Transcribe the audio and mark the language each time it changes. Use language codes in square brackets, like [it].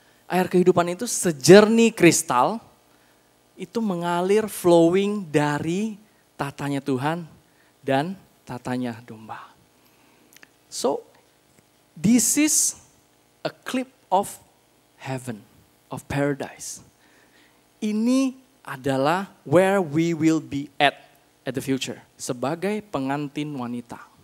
[id] Air kehidupan itu sejernih kristal, itu mengalir flowing dari tatanya Tuhan dan tatanya domba. [en] So, this is a clip of heaven, of paradise. [id] Ini adalah [en] where we will be at the future, [id] sebagai pengantin wanita.